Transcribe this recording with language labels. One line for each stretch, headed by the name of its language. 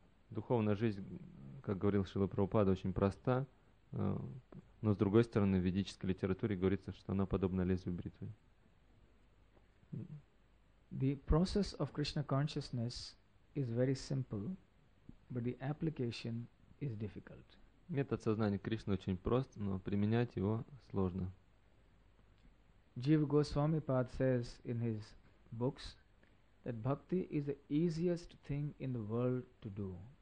Russian: Духовная жизнь, как говорил Шрила Прабхупада, очень проста, но с другой стороны, в ведической литературе говорится, что она подобна лезвию бритвы.
English: The process of Krishna consciousness is very simple, but the application is difficult.
Russian: Метод сознания Кришны очень прост, но применять его сложно.
English: Jiva Goswami Pad says in his books that bhakti is the easiest thing in the world to do.